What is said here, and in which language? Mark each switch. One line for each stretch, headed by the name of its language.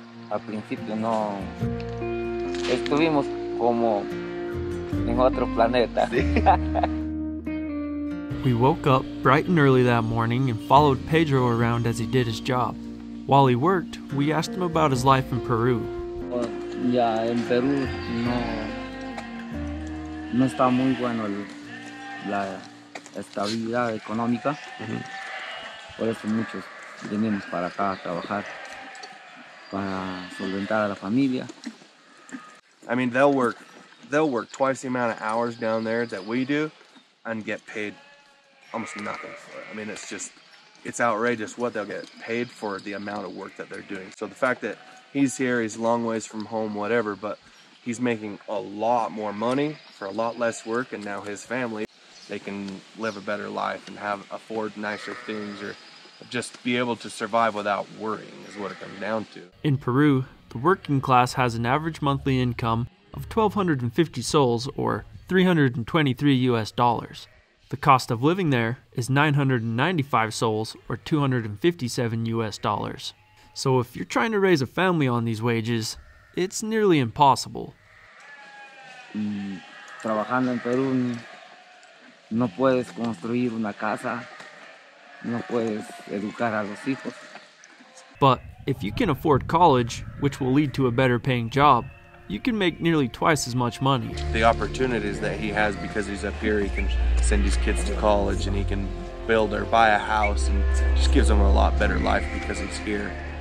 Spanish: Al principio no estuvimos como en otro planeta. Sí.
English: We woke up bright and early that morning and followed Pedro around as he did his job. While he worked, we asked him about his life in Peru.
Spanish: Ya en Perú no está muy bueno la estabilidad económica. Mm-hmm. Por eso muchos venimos para acá a trabajar. Para solventar a la familia.
English: I mean, they'll work twice the amount of hours down there that we do and get paid almost nothing for it. I mean, it's outrageous what they'll get paid for the amount of work that they're doing. So the fact that he's here, he's long ways from home, whatever, but he's making a lot more money for a lot less work, and now his family, they can live a better life and afford nicer things or just be able to survive without worrying is what it comes down to. In Peru, the working class has an average monthly income of 1,250 soles or $323. The cost of living there is 995 soles or $257. So if you're trying to raise a family on these wages, it's nearly impossible.
Spanish: Trabajando en Peru, no puedes construir una casa. No puedes educar a los hijos.
English: But if you can afford college, which will lead to a better paying job, you can make nearly twice as much money. The opportunities that he has because he's up here, he can send his kids to college and he can build or buy a house, and just gives him a lot better life because he's here.